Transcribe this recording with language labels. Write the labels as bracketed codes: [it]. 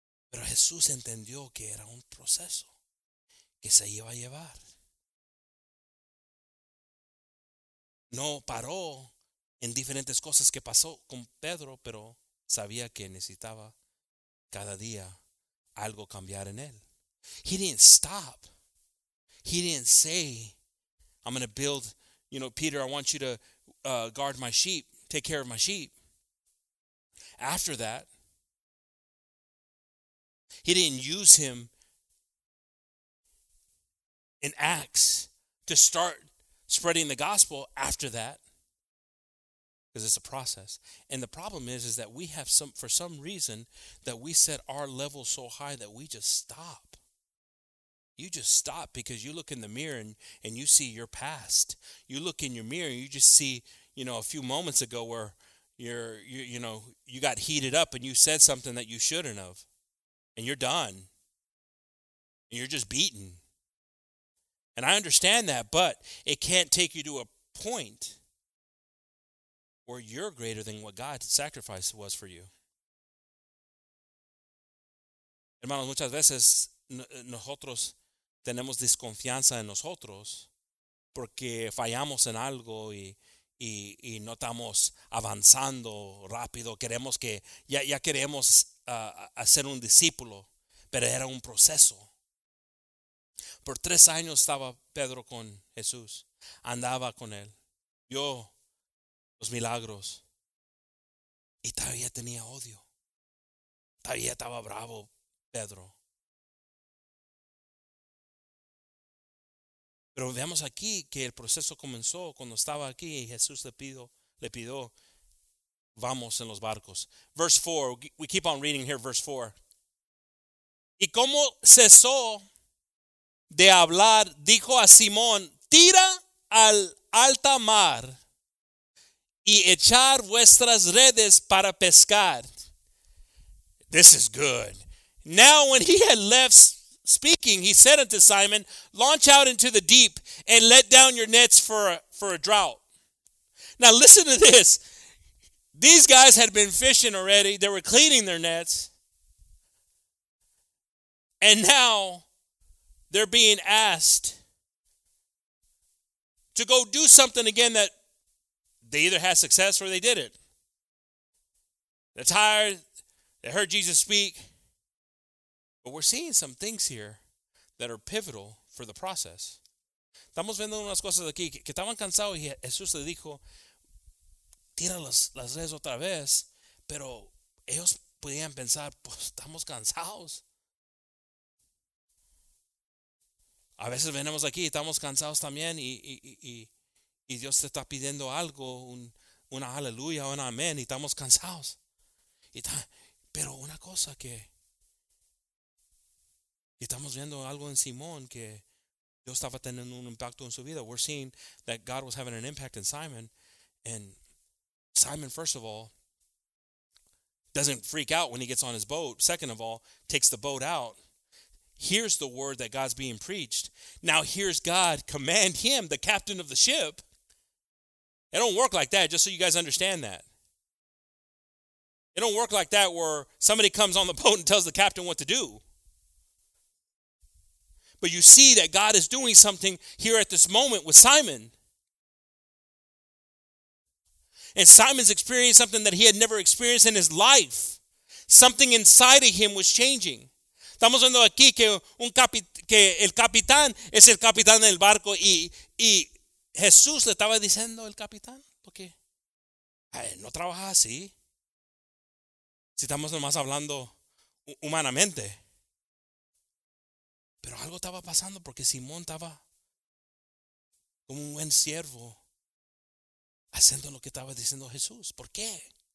[es] Pero Jesús entendió que era un proceso que se iba a llevar. no paró en diferentes cosas que pasó con Pedro, pero sabía que necesitaba cada día algo cambiar en él. [en] He didn't stop. He didn't say, I'm going to build, you know, Peter, I want you to guard my sheep, take care of my sheep. After that, he didn't use him in Acts to start spreading the gospel after that, because it's a process. And the problem is that we have some, for some reason, that we set our level so high that we just stop. You just stop because you look in the mirror and you see your past. You look in your mirror and you just see, you know, a few moments ago where you got heated up and you said something that you shouldn't have. And you're done. And you're just beaten. And I understand that, but it can't take you to a point where you're greater than what God's sacrifice was for you. [es] Hermanos, muchas veces nosotros tenemos desconfianza en nosotros porque fallamos en algo y no estamos avanzando rápido. Queremos que, ya queremos hacer un discípulo, pero era un proceso. Por 3 años estaba Pedro con Jesús, andaba con él, vio los milagros y todavía tenía odio. Todavía estaba bravo Pedro. Pero veamos aquí que el proceso comenzó cuando estaba aquí y Jesús le pidió, vamos en los barcos. [en] Verse 4, we keep on reading here, verse 4. [es] Y como cesó de hablar, dijo a Simón, tira al alta mar y echar vuestras redes para pescar. [en] This is good. Now when he had left speaking, he said unto Simon, launch out into the deep and let down your nets for a draught. Now listen to this. These guys had been fishing already. They were cleaning their nets. And now they're being asked to go do something again that they either had success or they didn't. They're tired. They heard Jesus speak. But we're seeing some things here that are pivotal for the process. [es] Estamos viendo unas cosas aquí que estaban cansados y Jesús le dijo, tira las redes otra vez. Pero ellos podían pensar, pues estamos cansados. A veces venimos aquí y estamos cansados también y Dios te está pidiendo algo, una aleluya, un amén, y estamos cansados. Pero una cosa que... Y estamos viendo algo en Simón que Dios estaba teniendo un impacto en su vida. [en] We're seeing that God was having an impact in Simon. And Simon, first of all, doesn't freak out when he gets on his boat. Second of all, takes the boat out. Here's the word that God's being preached. Now here's God command him, the captain of the ship. It don't work like that, just so you guys understand that. It don't work like that where somebody comes on the boat and tells the captain what to do. But you see that God is doing something here at this moment with Simon. And Simon's experiencing something that he had never experienced in his life. Something inside of him was changing. [es] Estamos viendo aquí que el capitán es el capitán del barco y Jesús le estaba diciendo al capitán, porque no trabaja así. Si estamos nomás hablando humanamente. Pero algo estaba pasando porque Simón estaba como un buen siervo haciendo lo que estaba diciendo Jesús. ¿Por qué?